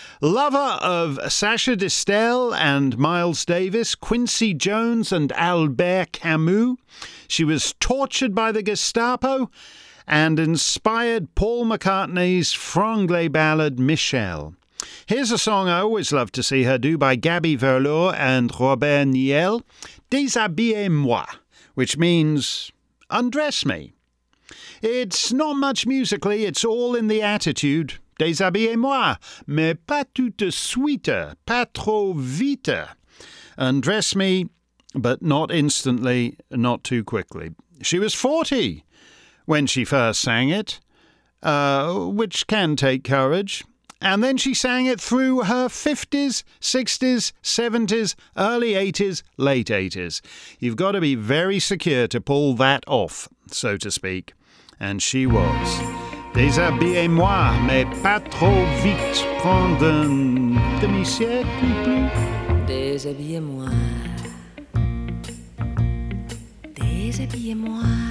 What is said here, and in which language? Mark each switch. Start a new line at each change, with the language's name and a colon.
English: Lover of Sacha Distel and Miles Davis, Quincy Jones and Albert Camus, she was tortured by the Gestapo and inspired Paul McCartney's franglais ballad, Michelle. Here's a song I always love to see her do by Gabby Verlour and Robert Niel, Déshabillez-moi, which means undress me. It's not much musically, it's all in the attitude.
French: Déshabillez-moi, mais pas tout de suite, pas trop vite.
English: Undress me, but not instantly, not too quickly. She was 40 when she first sang it, which can take courage. And then she sang it through her 50s, 60s, 70s, early 80s, late 80s. You've got to be very secure to pull that off, so to speak. And she was.
French: Déshabillez-moi, mais pas trop vite, prendre un demi-siècle. Déshabillez-moi. Déshabillez-moi.